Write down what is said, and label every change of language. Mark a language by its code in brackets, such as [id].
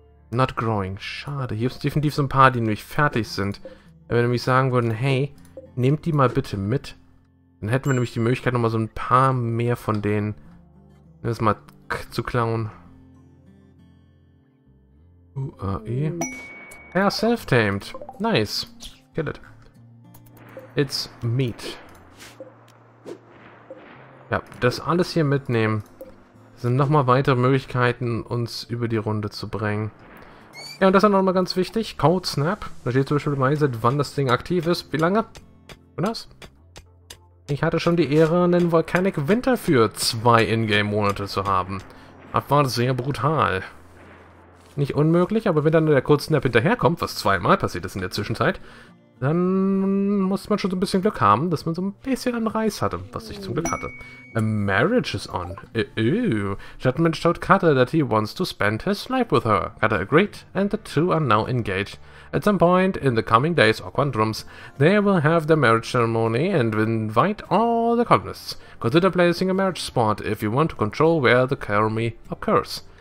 [en] Not growing, [de] schade. Hier gibt es definitiv so ein paar, die nämlich fertig sind. Wenn wir nämlich sagen würden, hey, nehmt die mal bitte mit. Dann hätten wir nämlich die Möglichkeit, nochmal so ein paar mehr von denen das mal zu klauen. [en] Ja, self-tamed. Nice. Kill it. It's meat. [de] Ja, das alles hier mitnehmen. Sind nochmal weitere Möglichkeiten, uns über die Runde zu bringen. Ja, und das ist nochmal ganz wichtig. Code Snap. Da steht zum Beispiel bei, seit wann das Ding aktiv ist. Wie lange? Und das? Ich hatte schon die Ehre, einen Volcanic Winter für 2 Ingame-Monate zu haben. Das war sehr brutal. Nicht unmöglich, aber wenn dann der Code Snap hinterherkommt, was 2-mal passiert ist in der Zwischenzeit, dann muss man schon so ein bisschen Glück haben, dass man so ein bisschen einen Reis hatte, was ich zum Glück hatte. [en] A marriage is on. Ew. Gentleman showed Cutter that he wants to spend his life with her. Cutter agreed, and the two are now engaged. At some point in the coming days or quantums, they will have the marriage ceremony and invite all the colonists. Consider placing a marriage spot if you want to control where the ceremony occurs.